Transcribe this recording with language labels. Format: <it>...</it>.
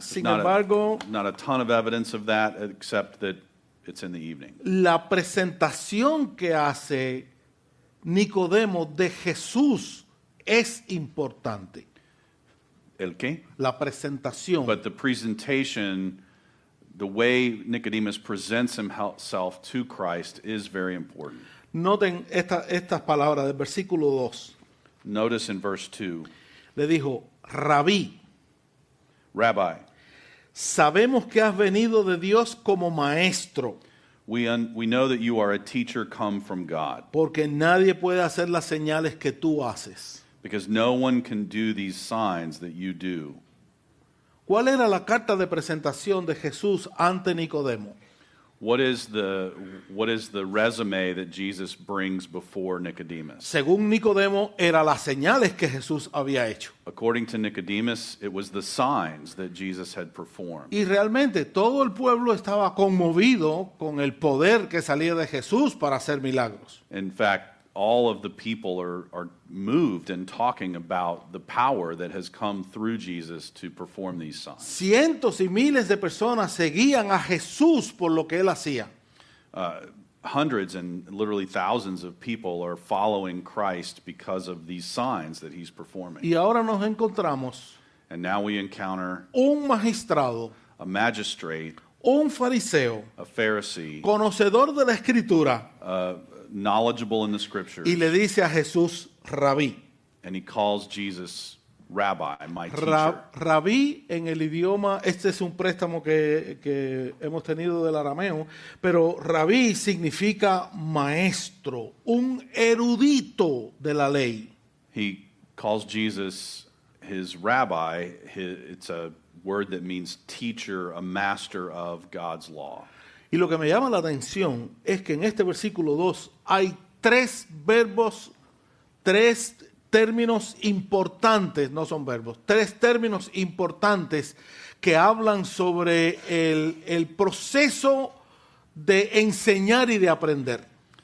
<es>Sin embargo,</es> <en>not a ton of evidence of that, except that it's in the evening.</en> <es>La presentación que hace Nicodemo de Jesús es importante. ¿El qué? La presentación.</es> <en>But the presentation, the way Nicodemus presents himself to Christ, is very important.</en> <es>Noten estas palabras del versículo 2.</es> <en>Notice in verse 2.</en> <es>Le dijo, Rabí.</es> <en>Rabbi.</en> <es>Sabemos que has venido de Dios como maestro.</es> <en>We know that you are a teacher come from God.</en> <es>Porque nadie puede hacer las señales que tú haces.</es> <en>Because no one can do these signs that you do.</en> <es>¿Cuál era la carta de presentación de Jesús ante Nicodemo?</es> <en>What is the resume that Jesus brings before Nicodemus?</en> <es>Según Nicodemo, era las señales que Jesús había hecho.</es> <en>According to Nicodemus, it was the signs that Jesus had performed.</en> <es>Y realmente, todo el pueblo estaba conmovido con el poder que salía de Jesús para hacer milagros.</es> <en>In fact, all of the people are moved and talking about the power that has come through Jesus to perform these signs.</en> <es>Cientos y miles de personas seguían a Jesús por lo que él hacía.</es> <en>Hundreds and literally thousands of people are following Christ because of these signs that he's performing.</en> <es>Y ahora nos encontramos,</es> <en>and now we encounter</en> <es>un magistrado,</es> <en>a magistrate,</en> <es>un fariseo,</es> <en>a Pharisee,</en> <es>conocedor de la escritura,</es> <en>knowledgeable in the scriptures.</en> <es>Y le dice a Jesús, Rabí.</es> <en>And he calls Jesus Rabbi, my teacher.</en> <es>Rabí en el idioma, este es un préstamo que hemos tenido del arameo, pero Rabí significa maestro, un erudito de la ley.</es> <en>He calls Jesus his rabbi. It's a word that means teacher, a master of God's law.</en> <es>Y lo que me llama la atención es que en este versículo 2 hay tres verbos, tres términos importantes, no son verbos, tres términos importantes que hablan sobre el proceso de enseñar y de aprender.</es>